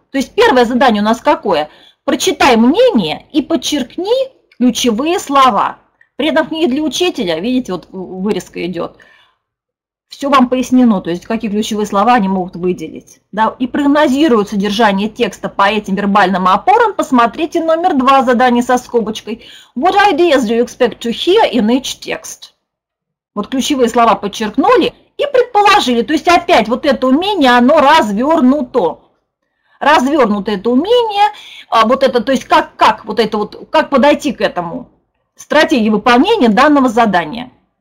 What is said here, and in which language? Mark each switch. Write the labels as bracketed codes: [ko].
[ru] То есть, первое задание у нас какое? Прочитай мнение и подчеркни ключевые слова. При этом в книге для учителя, видите, вот вырезка идет. Все вам пояснено, то есть какие ключевые слова они могут выделить. Да? И прогнозируют содержание текста по этим вербальным опорам. Посмотрите номер два задания со скобочкой. [en] What ideas do you expect to hear in each text? [ru] Вот ключевые слова подчеркнули и предположили. То есть опять вот это умение, оно развернуто. Развернуто это умение, вот это, то есть как вот это вот, как подойти к этому стратегии выполнения данного задания.